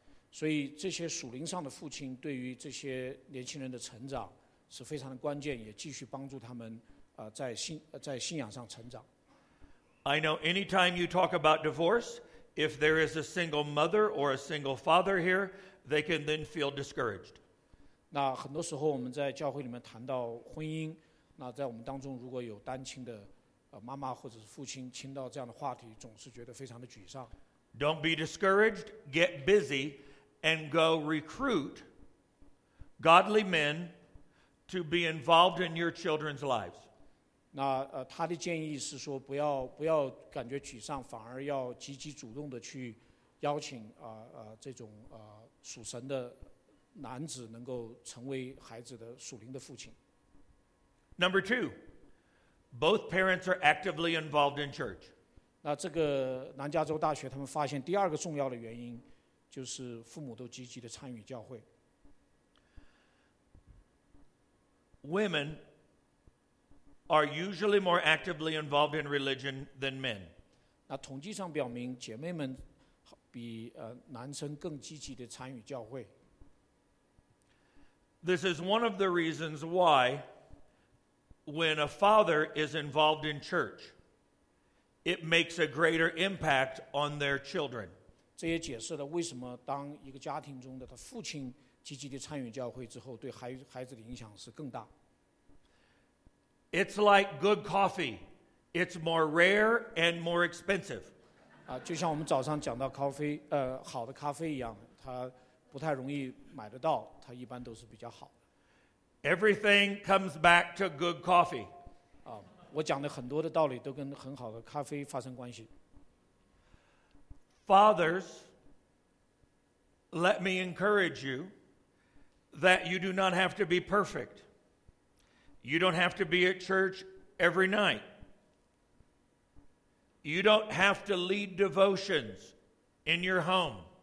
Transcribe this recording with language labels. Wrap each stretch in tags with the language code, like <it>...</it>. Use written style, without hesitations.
<zh>所以这些属灵上的父亲对于这些年轻人的成长是非常的关键，也继续帮助他们在信仰上成长。</zh> <en>I know anytime you talk about divorce, if there is a single mother or a single father here, they can then feel discouraged.</en> <zh>那很多时候我们在教会里面谈到婚姻，那在我们当中如果有单亲的妈妈或者是父亲听到这样的话题，总是觉得非常的沮丧。</zh> <en>Don't be discouraged, get busy. And go recruit godly men to be involved in your children's lives.</en> <zh>那他的建议是说，不要感觉沮丧，反而要积极主动的去邀请这种属神的男子能够成为孩子的属灵的父亲。</zh> <en>Number two, both parents are actively involved in church.</en> <zh>那这个南加州大学他们发现第二个重要的原因。就是父母都积极地参与教会。</zh> <en>Women are usually more actively involved in religion than men.</en> <zh>那统计上表明，姐妹们比男生更积极地参与教会。</zh> <en>This is one of the reasons why, when a father is involved in church, It makes a greater impact on their children.</en> <zh>这也解释了为什么当一个家庭中的他父亲积极地参与教会之后，对孩子的影响是更大。</zh> <en>It's like good coffee. It's more rare and more expensive.</en> <zh>就像我们早上讲到咖啡，好的咖啡一样，它不太容易买得到，它一般都是比较好的。</zh> <en>Everything comes back to good coffee.</en> <zh>我讲的很多的道理都跟很好的咖啡发生关系。</zh> <en>Fathers, let me encourage you that you do not have to be perfect. You don't have to be at church every night. You don't have to lead devotions in your home.</en>